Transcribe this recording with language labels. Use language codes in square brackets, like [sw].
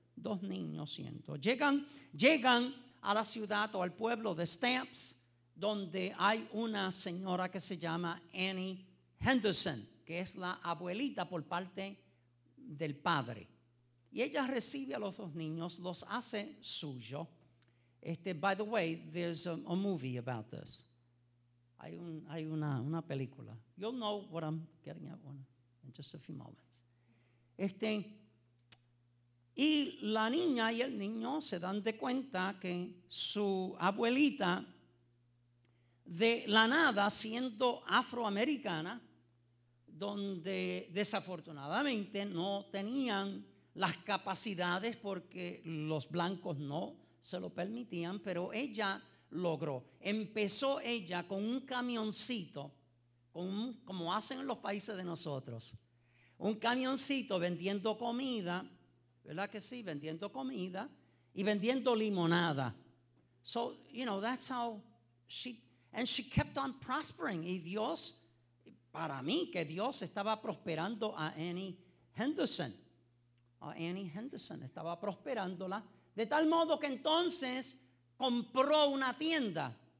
[es] Dos niños, siento. Llegan a la ciudad o al pueblo de Stamps, donde hay una señora que se llama Annie Henderson, que es la abuelita por parte del padre. Y ella recibe a los dos niños, los hace suyo. [en] By the way, there's a movie about this. [es] Hay una película. [en] You'll know what I'm getting at in just a few moments. [es] Y la niña y el niño se dan de cuenta que su abuelita, de la nada, siendo afroamericana, donde desafortunadamente no tenían las capacidades porque los blancos no se lo permitían, pero ella logró. Empezó ella con un camioncito, como hacen en los países de nosotros, un camioncito vendiendo comida, ¿verdad que sí? Vendiendo comida y vendiendo limonada. [en] So, you know, that's how she kept on prospering. [es] Y Dios, para mí, que Dios estaba prosperando a Annie Henderson. A Annie Henderson estaba prosperándola. De tal modo que entonces compró una tienda.